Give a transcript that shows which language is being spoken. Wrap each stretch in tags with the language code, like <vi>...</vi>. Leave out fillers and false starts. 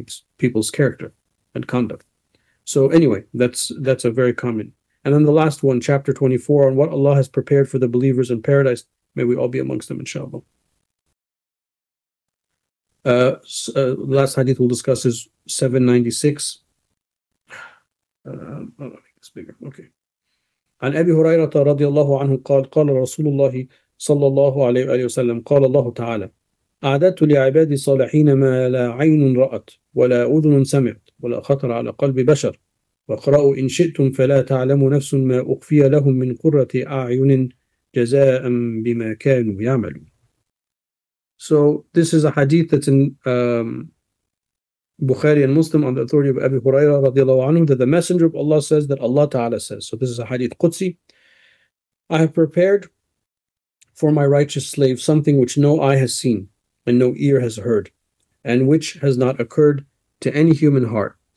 <en>It's people's character and conduct. So anyway, that's a very common. And then the last one, chapter 24, on what Allah has prepared for the believers in paradise. May we all be amongst them, inshallah. Last hadith we'll discuss is 796. I'll make this bigger. Okay.</en> <ar>عن أبي هريرة رضي الله عنه قال قال رسول الله صلى الله عليه وسلم قال الله تعالى أعددت لعبادي الصالحين ما لا عين رأت ولا أذن سمعت ولا خطر على قلب بشر واقرأوا إن شئتم فلا تعلم نفس ما أخفي لهم من قرة أعين جزاء بما كانوا يعملون.</ar> <en>So this is a hadith that's in Bukhari and Muslim on the authority of Abi Huraira رضي الله عنه, that the Messenger of Allah says that Allah Ta'ala says, so this is a hadith Qudsi, I have prepared for my righteous slave something which no eye has seen and no ear has heard and which has not occurred to any human heart.</en>